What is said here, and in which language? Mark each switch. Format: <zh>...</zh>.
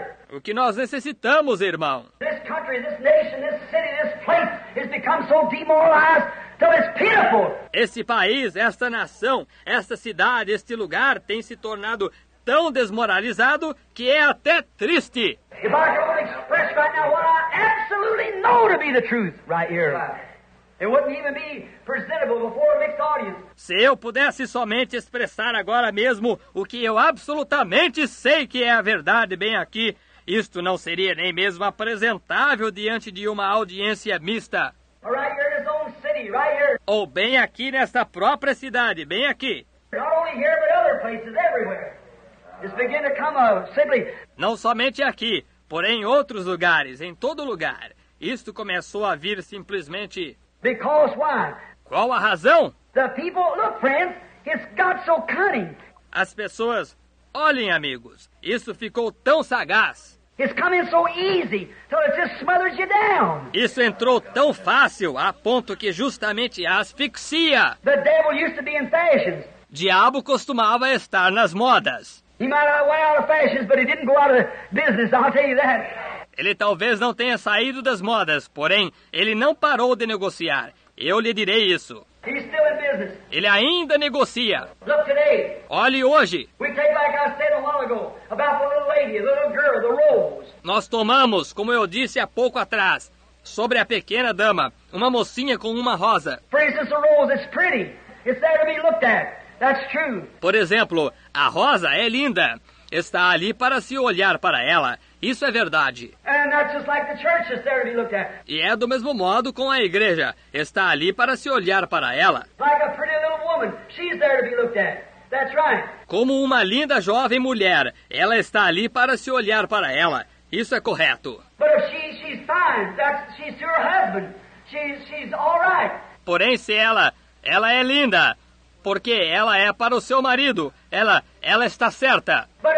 <pt>O que nós necessitamos, irmão?</pt> <en>This country, this nation, this city, this place has become so demoralized till it's pitiful.</en> <pt>Esse país, esta nação, esta cidade, este lugar tem se tornado tão desmoralizado que é até triste.</pt> <en>If I could express right now what I absolutely know to be the truth right here. It wouldn't even be presentable before a mixed audience.</en> <pt>Se eu pudesse somente expressar agora mesmo o que eu absolutamente sei que é a verdade bem aqui, isto não seria nem mesmo apresentável diante de uma audiência mista.</pt> <en>Right here in his own city, right here.</en> <pt>Ou bem aqui nesta própria cidade, bem aqui.</pt> <en>Not only here, but other places, everywhere. It's beginning to come simply...</en> <pt>Não somente aqui, porém em outros lugares, em todo lugar. Isto começou a vir simplesmente...</pt> <en>Because why?</en> <pt>Qual a razão?</pt> <en>The people, look, friends, it's got so cunning.</en> <pt>As pessoas, olhem, amigos, isso ficou tão sagaz.</pt> <en>It's coming so easy, so it just smothers you down.</en> <pt>Isso entrou tão fácil, a ponto que justamente asfixia.</pt> <en>The devil used to be in fashions.</en> <pt>Diabo costumava estar nas modas.</pt> <en>He might have went out of fashions, but he didn't go out of business, I'll tell you that.</en> <pt>Ele talvez não tenha saído das modas, porém, ele não parou de negociar. Eu lhe direi isso.</pt> <en>He's still in business.</en> <pt>Ele ainda negocia.</pt> <en>Look today.</en> <pt>Olhe hoje.</pt> <en>We take like I said a while ago, about the little lady, the little girl, the rose.</en> <pt>Nós tomamos, como eu disse há pouco atrás, sobre a pequena dama, uma mocinha com uma rosa.</pt> <en>For instance, the rose is pretty. It's there to be looked at. That's true.</en> <pt>Por exemplo, a rosa é linda. Está ali para se olhar para ela. Isso é verdade.</pt> <en>And that's just like the church is there to be looked at.</en> <pt>E é do mesmo modo com a igreja. Está ali para se olhar para ela.</pt> <en>Like a pretty little woman, she's there to be looked at. That's right.</en> <pt>Como uma linda jovem mulher, ela está ali para se olhar para ela. Isso é correto.</pt> <en>But if she's fine, that's, she's her husband. She's all right.</en> <pt>Porém, se ela é linda. Porque ela é para o seu marido. Ela está certa.</pt>